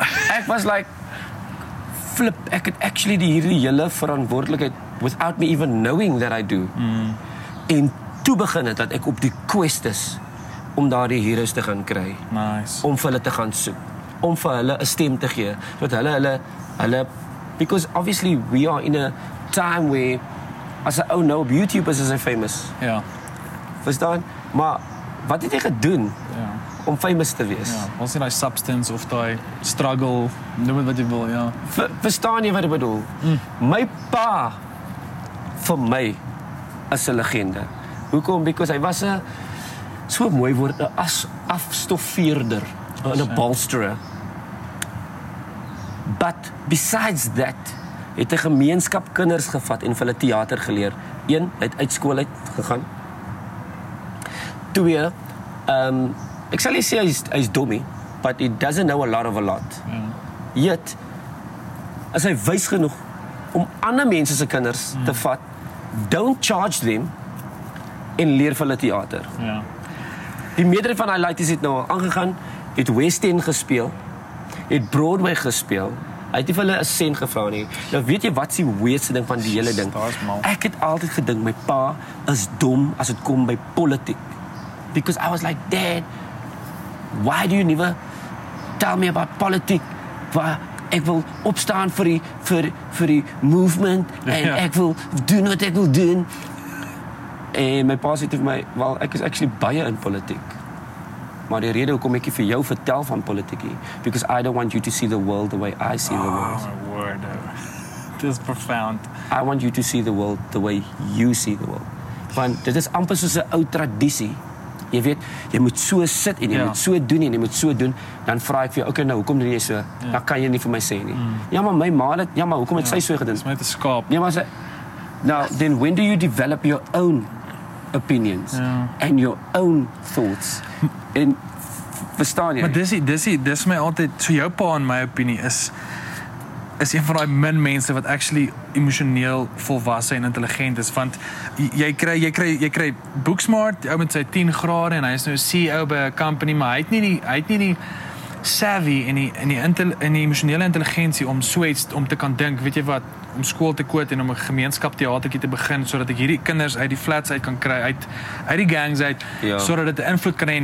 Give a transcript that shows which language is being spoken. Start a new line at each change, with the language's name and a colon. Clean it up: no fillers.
Afrikaans: Ek was like, flip, ek het actually die hierdie hele verantwoordelikheid
English: without me even knowing that I do. Mm.
Afrikaans: En toe begin het dat ek op die quest is. om daar die heroes te gaan kry.
English: Nice.
Afrikaans: Om vir hulle te gaan soek. Om vir hulle 'n stem te gee. Want hulle
English: because obviously we are in a time where as a oh no YouTubers is famous.
Afrikaans: Ja. Yeah. Verstaan? Maar wat het jy gedoen? Ja.
English: Yeah.
Afrikaans: Om famous te wees. Ja, ons het daai substance of daai struggle, noem wat jy wil, ja.
English: Yeah.
Afrikaans: Verstaan jy wat ek bedoel? Mm. My pa vir my is 'n legende. Hoekom? Because hy was 'n so mooi woord, 'n afstoffeerder in 'n bolsterer. But besides that, het 'n gemeenskap kinders gevat en vir hulle teater geleer. Een, het uit skool uit gegaan. Twee, ek sal nie sê hy's dommie,
English: but he doesn't know a lot of a lot. Yeah.
Afrikaans: Yet, is hy wys genoeg om ander mense se kinders te vat,
English: don't charge them,
Afrikaans: en leer vir hulle teater.
English: Yeah.
Afrikaans: Die meerderheid van hy lighties het nou al aangegaan, het West End gespeel, het Broadway gespeel, hy het nie vir hulle 'n sent gevra nie. Nou weet jy wat is die weirdste ding van die hele ding? Ek het altyd gedink my pa is dom as dit kom by politiek.
English: Because I was like, Dad, why do you never tell me about politiek?
Afrikaans: Waar ek wil opstaan vir die movement en ek wil doen wat ek wil doen. En my pa sê vir my, well, ek is actually baie in politiek. Maar die rede hoekom ek vir jou vertel van politiek hier,
English: because I don't want you to see the world the way I see the world. Oh, my word. This is profound. I want you to see the world the way you see the world.
Afrikaans: Want dit is amper soos 'n ou tradisie. Jy weet, jy moet so sit en jy moet so doen en jy moet so doen. Dan vra ek vir jou, okay, nou, hoekom doen jy so?
English: Yeah.
Afrikaans: Dan kan jy nie vir my sê nie. Mm. Ja, maar my ma het, ja, maar hoekom het sy so gedoen? Dis my te skaap. Ja, maar sy...
English: Now, then when do you develop your own opinions and your own thoughts?
Afrikaans: En verstaan jy? Maar dis my altyd, so jou pa in my opinie is een van die min mense wat actually emosioneel volwasse en intelligent is, want jy kry Booksmart, die ou met sy 10 grade en hy is nou CEO by 'n company, maar hy het nie die savvy en die emosionele intelligensie om so iets om te kan dink, weet jy wat, om skool te koot en om 'n gemeenskap teatertjie te begin sodat ek hierdie kinders uit die flats uit kan kry, uit die gangs uit, sodat dit 'n invloed kan hê.